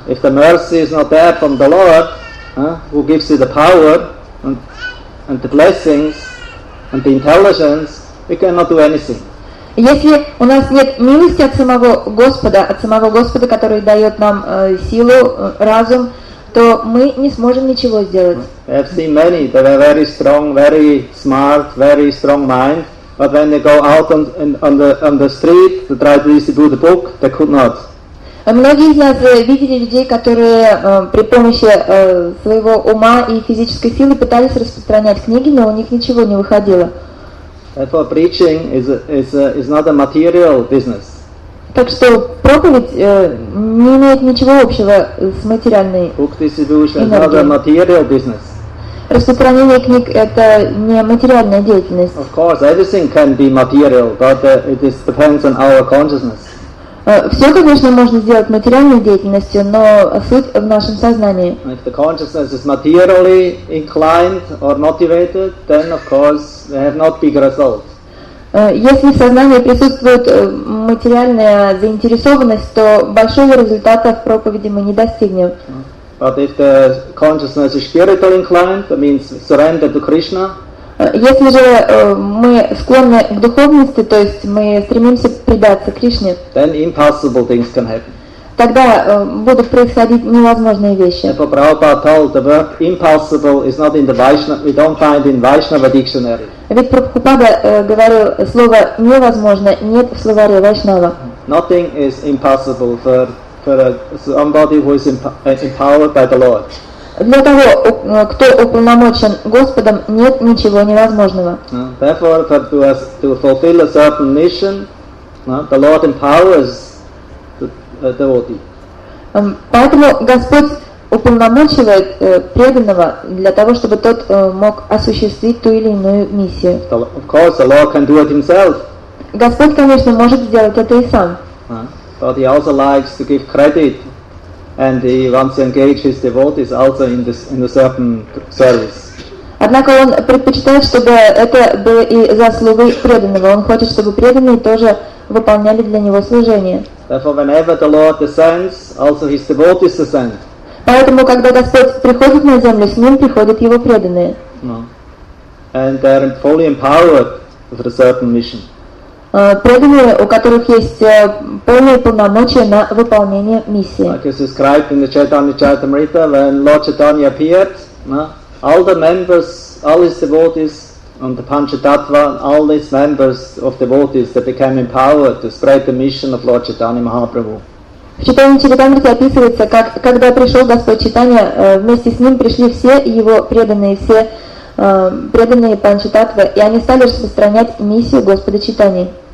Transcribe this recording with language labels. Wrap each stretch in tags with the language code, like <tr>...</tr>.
<en>If the mercy is not there from the Lord, who gives you the power and the blessings and the intelligence, we cannot do anything.</en> <ru>Если у нас нет милости от самого Господа, который дает нам силу, разум, то мы не сможем ничего сделать.</ru> <en>I have seen many that are very strong, very smart, very strong mind, but when they go out on the street to try to distribute the book, they could not.</en> <ru>Многие из нас видели людей, которые при помощи своего ума и физической силы пытались распространять книги, но у них ничего не выходило.</ru> <en>Therefore, preaching is not a material business.</en> <ru>Так что проповедь не имеет ничего общего с материальной</ru> <en>book distribution is not a material business.</en> <ru>Распространение книг – это не материальная деятельность.</ru> <en>Of course, everything can be material, but it depends on our consciousness.</en> <ru>Все, конечно, можно сделать материальной деятельностью, но суть в нашем сознании.</ru> <en>If the consciousness is materially inclined or motivated, then, of course, there have not big results.</en> <ru>Если в сознании присутствует материальная заинтересованность, то большого результата в проповеди мы не достигнем.</ru> <en>But if the consciousness is spiritually inclined, that means surrender to Krishna.</en> <ru>Если же мы склонны к духовности, то есть мы стремимся предаться Кришне,</ru> <en>then impossible things can happen.</en> <ru>Тогда будут происходить невозможные вещи.</ru> <en>Therefore, Prabhupada told the word impossible is not in the Vaishnava, we don't find in Vaishnava dictionary.</en> <ru>Ведь Прабхупада говорил, слово невозможно нет в словаре Вайшнава.</ru> <en>Nothing is impossible for somebody who is empowered by the Lord.</en> <ru>Для того, кто уполномочен Господом, нет ничего невозможного.</ru> <en>Therefore, for to fulfill a certain mission, the Lord empowers the devotee.</en> <ru>Поэтому Господь уполномочивает преданного для того, чтобы тот мог осуществить ту или иную миссию.</ru> <en>Of course, the Lord can do it himself.</en> <ru>Господь, конечно, может сделать это и сам.</ru> <en>But he also likes to give credit. And he wants to engage his devotees also in a certain service.</en> <ru>Однако он предпочитает, чтобы это было и заслугой преданного. Он хочет, чтобы преданные тоже выполняли для него служение.</ru> <en>Therefore, whenever the Lord descends, also his devotees descend.</en> <ru>Поэтому, когда Господь приходит на землю, с ним приходят его преданные.</ru> <en>No. And they are fully empowered with a certain mission.</en> <ru>Преданные, у которых есть полное полномочия на выполнение миссии.</ru> <en>Like it's described in the Chaitanya Charitamrita, when Lord Chaitanya appeared, all the members, all his devotees on the Panchatattva, all these members of devotees, they became empowered to spread the mission of Lord Chaitanya Mahaprabhu.</en> <ru>В Чайтанья Чаритамрите описывается, как когда пришел Господь Чайтанья, вместе с ним пришли все его преданные, все преданные Панчататвы, и они стали распространять миссию Господа Чайтаньи.</ru>